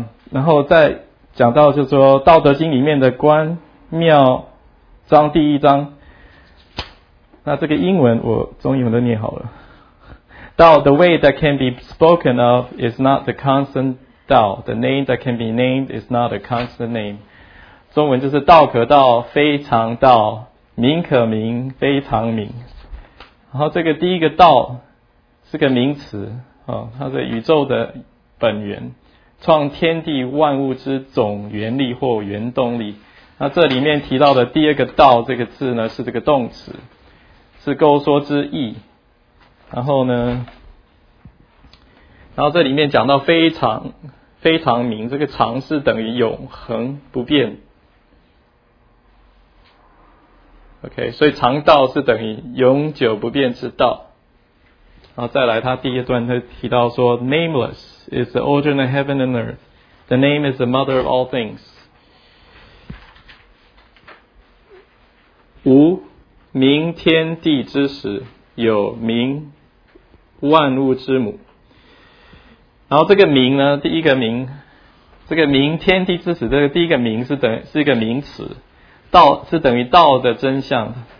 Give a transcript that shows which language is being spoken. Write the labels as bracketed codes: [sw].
[zh] 然后再讲到就是说《道德经》里面的关庙章第一章，那这个英文我中文都念好了。 [en] Dao, the way that can be spoken of is not the constant Dao. The name that can be named is not a constant name. [zh] 中文就是道可道，非常道；名可名，非常名。然后这个第一个道是个名词，它是宇宙的本源，创天地万物之总原力或原动力。那这里面提到的第二个道这个字呢，是这个动词，是勾说之意。然后呢，然后这里面讲到非常非常明，这个常是等于永恒不变。 OK， 所以常道是等于永久不变之道。然后再来他第一段他提到说 [en] Nameless is the origin of heaven and earth. The name is the mother of all things. [zh] 无名天地之始，有名万物之母。然后这个名呢，第一个名，这个名天地之始，这个第一个名是一个名词，道是等于道的真相。